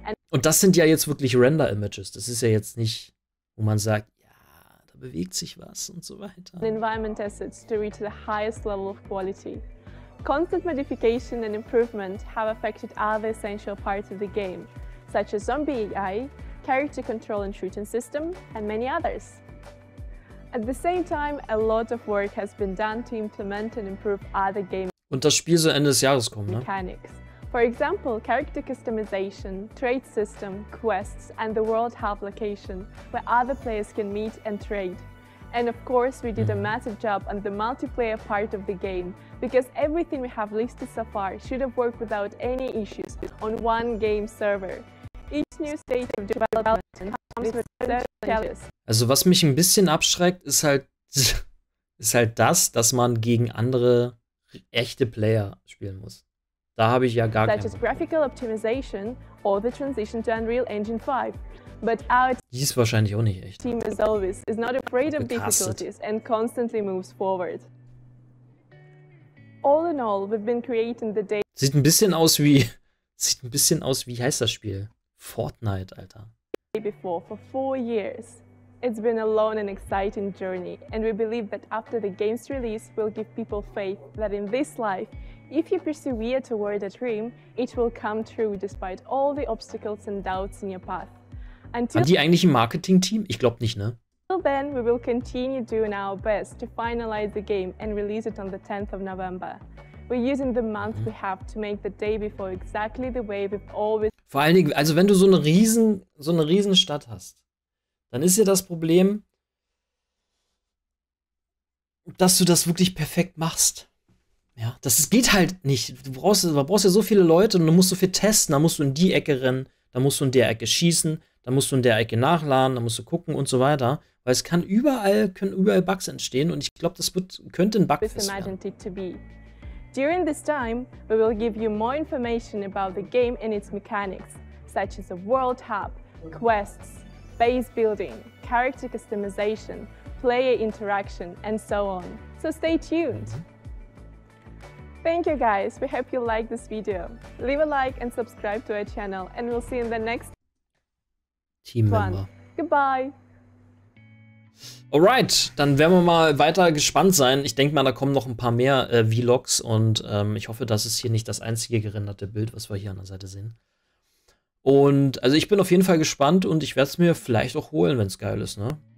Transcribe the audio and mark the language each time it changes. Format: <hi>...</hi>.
<de>Und das sind ja jetzt wirklich Render-Images. Das ist ja jetzt nicht, wo man sagt, ja, da bewegt sich was und so weiter.</de> <en>Environment assets to reach the highest level of quality. Constant modification and improvement have affected other essential parts of the game, such as zombie AI, character control and shooting system, and many others. At the same time, a lot of work has been done to implement and improve other game.</en> <de>Und das Spiel soll Ende des Jahres kommen, ne?</de> <en>Mechanics. For example, character customization, trade system, quests and the world hub location where other players can meet and trade. And of course, we did a massive job on the multiplayer part of the game because everything we have listed so far should have worked without any issues on one game server. Each new stage of development comes with certain challenges.</en> <de>Also, was mich ein bisschen abschreckt, ist halt das, dass man gegen andere echte Player spielen muss. Da habe ich ja gar keine.</de> <en>Graphical optimization or the transition to Unreal Engine 5. But our</en> <de>die ist wahrscheinlich auch nicht echt.</de> <en>Team is always is not afraid of difficulties and constantly moves forward. All in all, we've been creating the day.</en> <de>Sieht ein bisschen aus wie wie heißt das Spiel? Fortnite, Alter.</de> <en>Before for 4 years. It's been a long and exciting journey, and we believe that after the game's release, we'll give people faith that in this life, if you persevere toward a dream, it will come true despite all the obstacles and doubts in your path. Until</en> <de>Hat die eigentlich ein Marketing-Team? Ich glaube nicht, ne?</de> <en>Until then, we will continue doing our best to finalize the game and release it on the 10th of November. We're using the month we have to make the day before exactly the way we've always.</en> <de>Vor allen Dingen, also wenn du so eine riesen Stadt hast, dann ist ja das Problem, dass du das wirklich perfekt machst. Ja, das geht halt nicht. Du brauchst ja so viele Leute und du musst so viel testen. Da musst du in die Ecke rennen, da musst du in der Ecke schießen, da musst du in der Ecke nachladen, da musst du gucken und so weiter. Weil es kann überall, können überall Bugs entstehen und ich glaube, das könnte ein Bugfest werden.</de> <en>During this time, we will give you more information about the game and its mechanics, such as a world hub, quests, base building, character customization, player interaction, and so on. So stay tuned. Thank you guys. We hope you like this video. Leave a like and subscribe to our channel, and we'll see you in the next team member. Goodbye.</en> <de>Alright, dann werden wir mal weiter gespannt sein. Ich denke mal, da kommen noch ein paar mehr Vlogs und ich hoffe, das ist hier nicht das einzige gerenderte Bild, was wir hier an der Seite sehen. Und also ich bin auf jeden Fall gespannt und ich werde es mir vielleicht auch holen, wenn es geil ist, ne?</de>